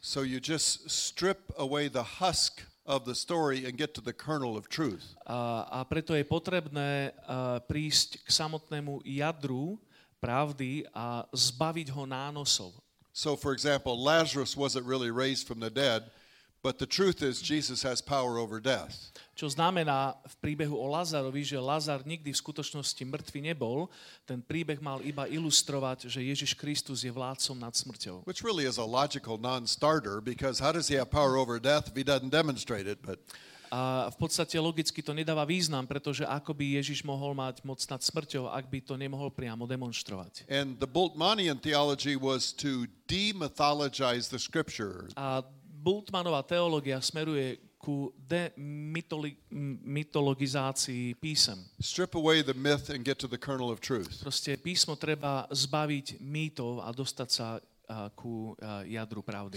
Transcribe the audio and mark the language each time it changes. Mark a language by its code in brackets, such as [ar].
[en] So you just strip away the husk of the story and get to the kernel of truth. [sk] A preto je potrebné prísť k samotnému jadru pravdy a zbaviť ho nánosov. [en] So for example, Lazarus wasn't really raised from the dead, but the truth is Jesus has power over death. [sk] Čo znamená v príbehu o Lazarovi, že Lazar nikdy v skutočnosti mŕtvy nebol, ten príbeh mal iba ilustrovať, že Ježiš Kristus je vládcom nad smrťou. [en] Which really is a logical non-starter, because how does he have power over death if he doesn't demonstrate it? But [sk] a v podstate logicky to nedáva význam, pretože ako by Ježiš mohol mať moc nad smrťou, ak by to nemohol priamo demonstrovať. [en] And the Bultmannian theology was to demythologize the scripture. [sk] A Bultmannova teológia smeruje ku demytologizácii písem. [en] Strip away the myth and get to the kernel of truth. [sk] Proste písmo treba zbaviť mýtov a dostať sa ku jadru pravdy.